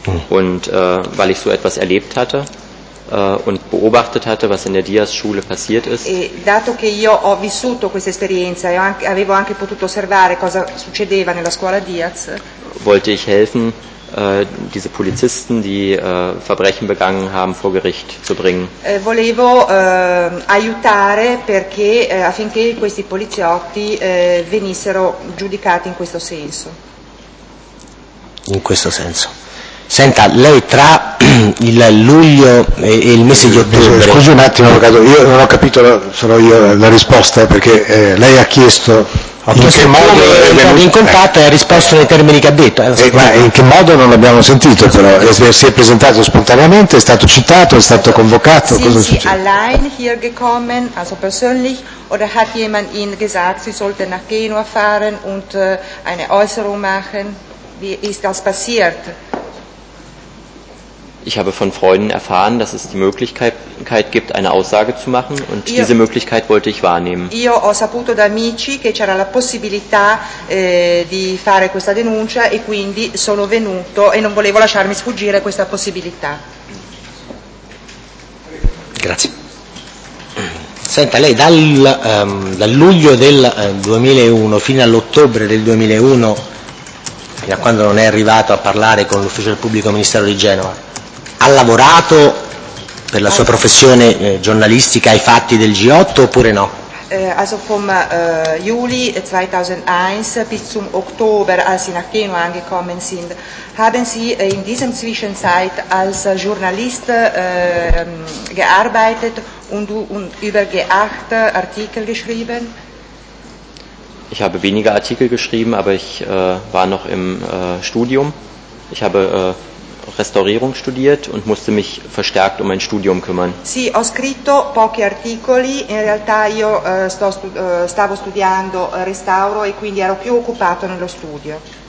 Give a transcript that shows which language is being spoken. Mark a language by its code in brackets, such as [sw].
[de] Und weil ich so etwas erlebt hatte und beobachtet hatte, was in der Diaz-Schule passiert ist. [it] E dato che io ho vissuto questa esperienza e avevo anche potuto osservare cosa succedeva nella scuola Diaz, [de] wollte ich helfen, diese Polizisten, die Verbrechen begangen haben, vor Gericht zu bringen. [it] Volevo aiutare perché affinché questi poliziotti venissero giudicati in questo senso. In questo senso. Senta, lei tra il luglio e il mese di ottobre. Scusi un attimo, avvocato, io non ho capito solo io la risposta, perché lei ha chiesto. In che modo è venuto in contatto e ha risposto nei termini che ha detto. Ma in che modo non l'abbiamo sentito, però? Si è presentato spontaneamente, è stato citato, è stato convocato? Sì, cosa sì, succede? [de] Allein hier gekommen, also persönlich, oder hat jemand Ihnen gesagt, Sie sollten nach Genua fahren und eine Äußerung machen? Wie ist das passiert? Ich habe von Freunden erfahren, dass es die Möglichkeit gibt, eine Aussage zu machen, und diese Möglichkeit wollte ich wahrnehmen. [it] Io ho saputo da amici che c'era la possibilità di fare questa denuncia e quindi sono venuto e non volevo lasciarmi sfuggire questa possibilità. Grazie. Senta, lei dal luglio del 2001 fino all'ottobre del 2001, fino a quando non è arrivato a parlare con l'ufficio del pubblico ministero di Genova, ha lavorato per la sua professione giornalistica ai fatti del G8 oppure no? [de] Also vom Juli 2001 bis zum Oktober, als Sie nach Genua angekommen sind, haben Sie in diesem Zwischenzeit als Journalist gearbeitet und über G8 Artikel geschrieben? Ich habe weniger Artikel geschrieben, aber ich war noch im Studium. Ich habe Restaurierung studiert und musste mich verstärkt um mein Studium kümmern. [it] Sì, ho scritto pochi articoli, in realtà io stavo studiando restauro e quindi ero più occupato nello studio.